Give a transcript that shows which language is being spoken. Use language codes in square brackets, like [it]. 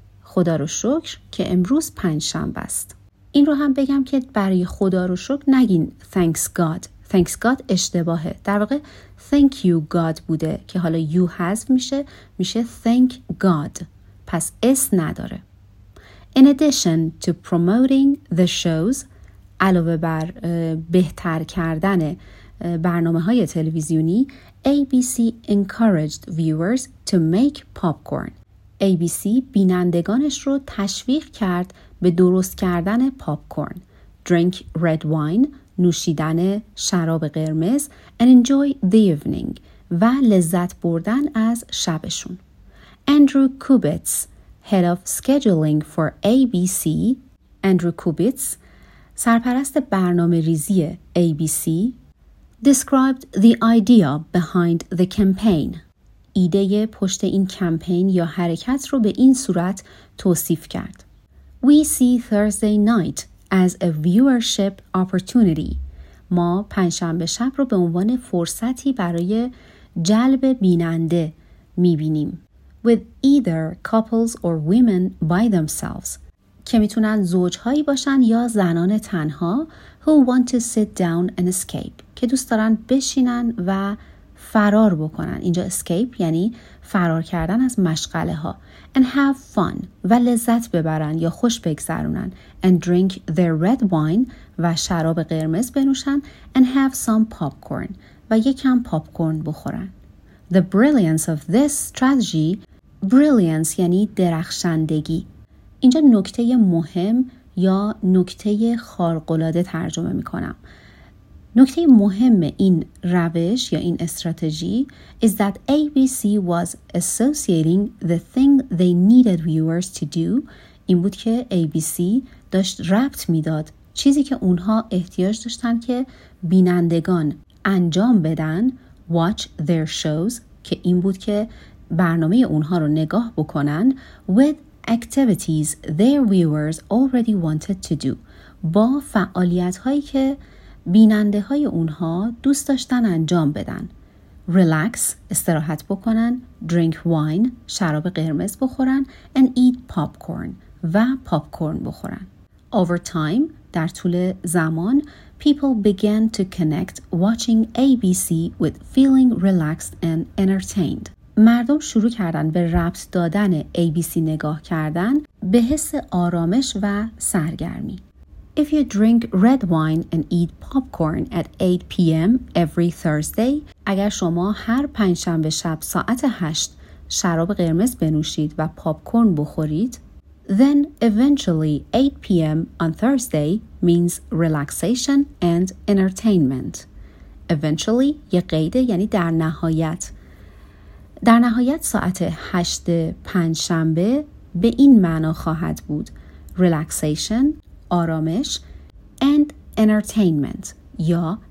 [fa] خدا رو شکر که امروز پنج شنبه است. این رو هم بگم که برای خدا رو شکر نگین [en] Thanks God. [fa] Thanks God اشتباهه. در واقع [en] Thank you God [fa] بوده که حالا you حذف میشه [en] Thank God. [fa] پس اس نداره. [en] In addition to promoting the shows [fa] علاوه بر بهتر کردن برنامه‌های تلویزیونی [en] ABC encouraged viewers to make popcorn. [fa] ABC بینندگانش رو تشویق کرد به درست کردن پاپکورن. [en] Drink red wine, [fa] نوشیدن شراب قرمز [en] and enjoy the evening [fa] و لذت بردن از شبشون. [en] Andrew Kubitz, head of scheduling for ABC, Andrew Kubitz [fa] سرپرست برنامه ریزی [en] ABC described the idea behind the campaign. [fa] ایده پشت این کمپین یا حرکت رو به این صورت توصیف کرد. [en] We see Thursday night as a viewership opportunity. [fa] ما پنجشنبه شب رو به عنوان فرصتی برای جلب بیننده می‌بینیم. [en] With either couples or women by themselves. [fa] که میتونن زوجهایی باشن یا زنان تنها [en] who want to sit down and escape [fa] که دوست دارن بشینن و فرار بکنن. اینجا escape یعنی فرار کردن از مشغله ها. [en] And have fun [fa] و لذت ببرن یا خوش بگذرونن. [en] And drink their red wine [fa] و شراب قرمز بنوشن. [en] And have some popcorn [fa] و یکم پاپکورن بخورن. [en] The brilliance of this strategy. [fa] Brilliance یعنی درخشندگی. اینجا نکته مهم یا نکته خارق‌العاده ترجمه می‌کنم. نکته مهم این روش یا این استراتژی [en] is that ABC was associating the thing they needed viewers to do. [fa] این بود که ABC داشت ربط می‌داد چیزی که اونها احتیاج داشتن که بینندگان انجام بدن [en] watch their shows [fa] که این بود که برنامه اونها رو نگاه بکنن [en] with activities their viewers already wanted to do [fa] با فعالیت هایی که بیننده های اونها دوست داشتن انجام بدن. [en] Relax [fa] استراحت بکنن, [en] drink wine [fa] شراب قرمز بخورن [en] and eat popcorn [fa] و پاپکورن بخورن. [en] Over time [fa] در طول زمان [en] people began to connect watching ABC with feeling relaxed and entertained. [fa] مردم شروع کردن به ربط دادن ABC نگاه کردن به حس آرامش و سرگرمی. [en] If you drink red wine and eat popcorn at 8 p.m. every Thursday, [fa] اگر شما هر پنج شنبه شب ساعت 8 شراب قرمز بنوشید و پاپکورن بخورید, [en] then eventually 8 p.m. on Thursday means relaxation and entertainment. [fa] Eventually یه قیده یعنی در نهایت. در نهایت ساعت 8 پنج شنبه به این معنا خواهد بود [en] relaxation [fa] آرامش [en] and entertainment [fa] یا